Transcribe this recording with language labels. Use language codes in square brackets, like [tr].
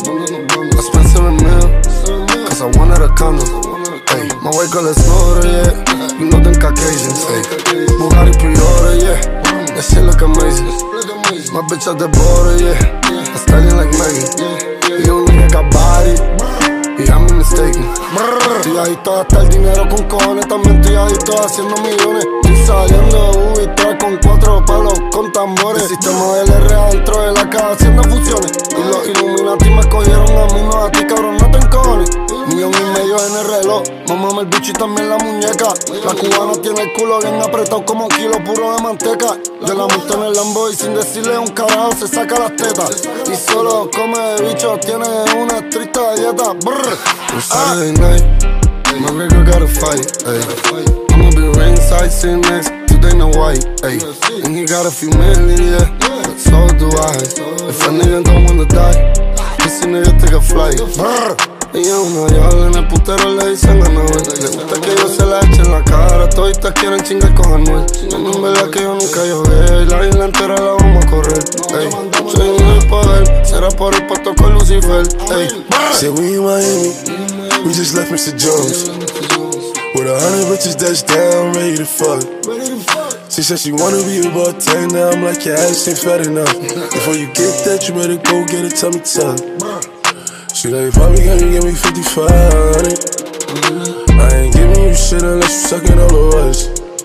[en] I spent 7 mil, cause I wanted a condo. Ay, my white girl is older, yeah. You know them Caucasians. Bugatti pre-order, yeah. That shit look amazing. My bitch at the border, yeah. I stallion like Megan. You don't think I got body. Yeah, I'm mistaken. [es] Estoy adicto a gastar dinero con cojones. También estoy adicto a haciendo millones. Estoy saliendo de Ubi 3 con 4 palos con tambores. El sistema del R adentro de la casa haciendo fusiones. Y los Illuminati me cogieron a mí, no a ti, cabrón, no te encojones. 1,000,000 en el reloj. Mamame el bicho y también la muñeca. La cubana tiene el culo bien apretado como un kilo puro de manteca. Yo la monto en el Lambo y sin decirle un carajo se saca las tetas. Y solo come de bicho, tiene una triste dieta. Brr. [en] On Saturday night, my nigga got a fight, ayy. I'ma be ringside sitting next to Dana White, ayy. And he got a few million, yeah, but so do I. If a nigga don't wanna die, this nigga take a flight. Brr. [es] Y a una diabla en el putero le dicen a Noel. Le gusta que yo se la eche en la cara. Toditas quieren chingar con Anuel. En verdad que yo nunca llové. La isla entera la vamos a correr. Ey, soy un poder. Será por el pato con Lucifer. Ey, [en] say we in Miami. We just left Mr. Jones. With 100 bitches that's down, ready to fuck. She said she wanna be a bartender. I'm like, your ass ain't fat enough. Before you get that, you better go get a tummy tuck. She like, probably can you give me 55, honey? I ain't giving you shit unless you suckin' all of us.